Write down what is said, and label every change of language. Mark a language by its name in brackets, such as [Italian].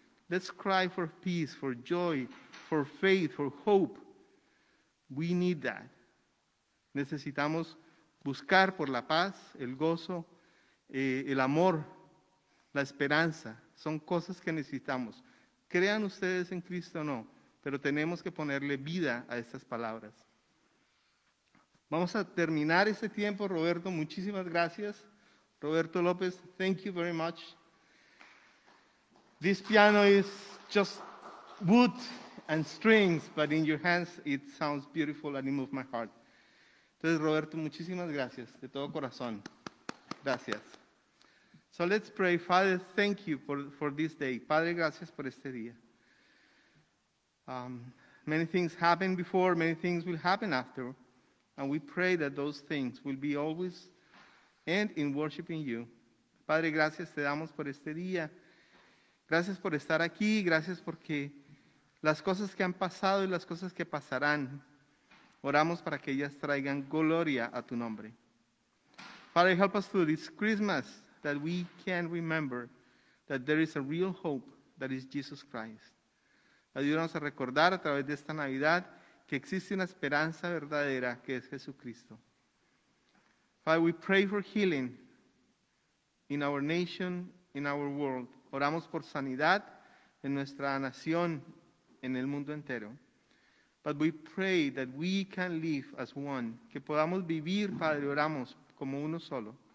[English] Let's cry for peace, for joy, for faith, for hope. We need that. [Spanish] Necesitamos buscar por la paz, el gozo, el amor, la esperanza. Son cosas que necesitamos. Crean ustedes en Cristo o no, pero tenemos que ponerle vida a estas palabras. Vamos a terminar este tiempo, Roberto. Muchísimas gracias. [English] Roberto López, thank you very much. This piano is just wood and strings, but in your hands it sounds beautiful and it moves my heart. [Spanish] Entonces, Roberto, muchísimas gracias, de todo corazón. Gracias. [English] So let's pray. Father, thank you for this day. [Spanish] Padre, gracias por este día. [English] Many things happened before, many things will happen after. And we pray that those things will be always and in worshiping you. [Spanish] Padre, gracias te damos por este día. Gracias por estar aquí, gracias porque las cosas que han pasado y las cosas que pasarán, oramos para que ellas traigan gloria a tu nombre. [English] Father, help us through this Christmas that we can remember that there is a real hope, that is Jesus Christ. [Spanish] Ayúdanos a recordar a través de esta Navidad que existe una esperanza verdadera, que es Jesucristo. [English] Father, we pray for healing in our nation, in our world. [Spanish] Oramos por sanidad en nuestra nación, en el mundo entero. [English] But we pray that we can live as one. [Spanish] Que podamos vivir, Padre, oramos como uno solo.